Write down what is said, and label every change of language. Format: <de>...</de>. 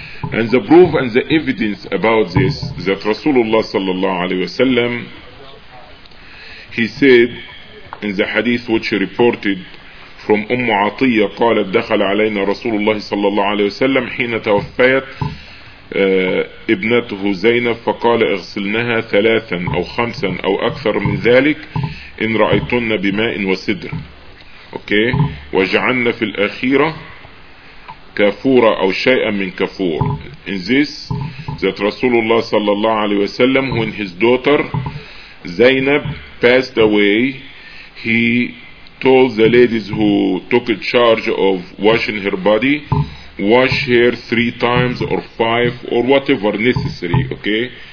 <en>And the proof and the evidence about this, that Rasulullah sallallahu alayhi wa sallam, he said in the hadith which he reported from Ummu Atiyya,</en> <ar>قالت دخل علينا رسول الله صلى الله عليه وسلم حين توفيت ابنته زينب فقال اغسلنها ثلاثا او خمسا او اكثر من ذلك ان رأيتن بماء وسدر</ar> <en>okay.</en> <ar>وجعلنا في الاخيرة كافورة او شيئا من كافور.</ar> <en>In this that رسول الله صلى الله عليه وسلم when his daughter زينب passed away he told the ladies who took a charge of washing her body, wash her three times or five or whatever necessary, okay?</en>